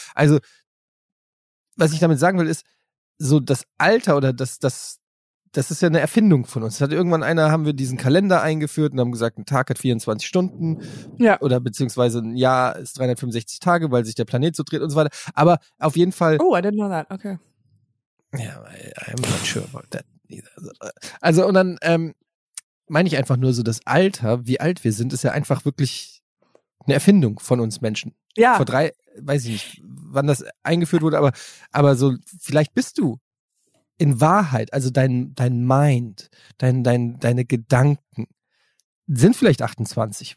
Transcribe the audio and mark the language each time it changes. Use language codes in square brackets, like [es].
[de] Also, was ich damit sagen will, ist, so das Alter oder das ist ja eine Erfindung von uns. Hat irgendwann einer, haben wir diesen Kalender eingeführt und haben gesagt, ein Tag hat 24 Stunden. Ja. Oder beziehungsweise ein Jahr ist 365 Tage, weil sich der Planet so dreht und so weiter. Aber auf jeden Fall. [en] Oh, I didn't know that. Okay. [de] Ja, [en] I'm not sure about that either. [de] Also, und dann meine ich einfach nur so, das Alter, wie alt wir sind, ist ja einfach wirklich eine Erfindung von uns Menschen. Ja. Vor drei, weiß ich nicht, wann das eingeführt wurde, aber so, vielleicht bist du in Wahrheit, also dein Mind, deine Gedanken sind vielleicht 28.